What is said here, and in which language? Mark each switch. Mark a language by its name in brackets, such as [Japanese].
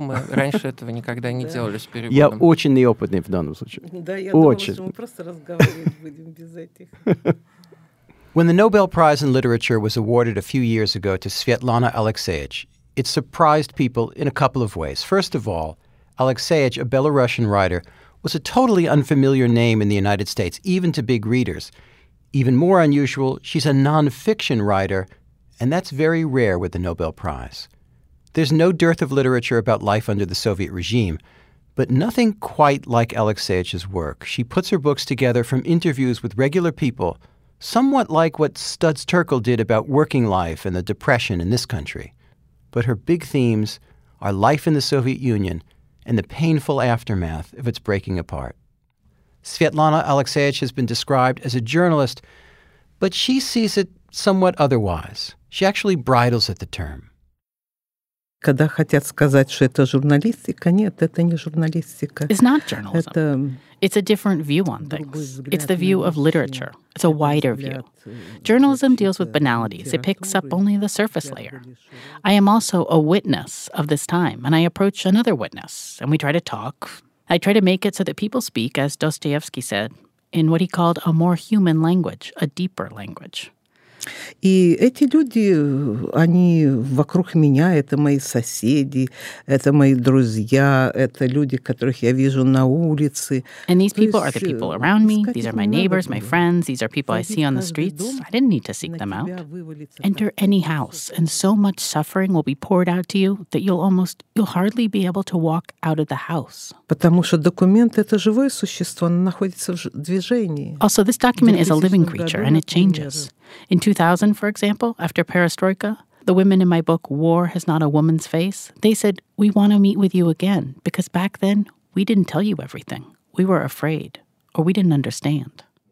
[Russian] Мы раньше этого никогда не делали с переводом. Я очень неопытный в данном случае. Да, я думала, что мы просто разговаривать будем без этих. [English] When the Nobel Prize in Literature was awarded a few years ago to Svetlana Alexeyevich, it surprised people in a couple of ways. First of all, Alexeyevich, a Belarusian writer, was a totally unfamiliar name in the United States, even to big readers. Even more unusual, she's a nonfiction writer, and that's very rare with the Nobel Prize. There's no dearth of literature about life under the Soviet regime, but nothing quite like Alexeyich's work. She puts her books together from interviews with regular people, somewhat like what Studs Terkel did about working life and the Depression in this country. But her big themes are life in the Soviet Union and the painful aftermath of its breaking apart. Svetlana Alexeyich has been described as a journalist, but she sees it somewhat otherwise. She actually bridles at the term. [Russian] Когда хотят сказать, что это журналистика, нет, это не журналистика. [English] It's not journalism. It's a different view on things. It's the view of literature. It's a wider view. Journalism deals with banalities. It picks up only the surface layer. I am also a witness of this time, and I approach another witness, and we try to talk. I try to make it so that people speak, as Dostoevsky said, in what he called a more human language, a deeper language. [Russian] И эти люди, они вокруг меня, это мои соседи, это мои друзья, это люди, которых я вижу на улице. [English] And these people are the people around me, these are my neighbors, my friends, these are people I see on the streets. I didn't need to seek them out. Enter any house, and so much suffering will be poured out to you that you'll hardly be able to walk out of the house. [Russian] Потому что документ — это живое существо, оно находится в движении. [English] Also, this document is a living creature, and it changes. In 2000, for example, after Perestroika, the women in my book War Has Not a Woman's Face, they said, we want to meet with you again, because back then, we didn't tell you everything. We were afraid, or we didn't understand.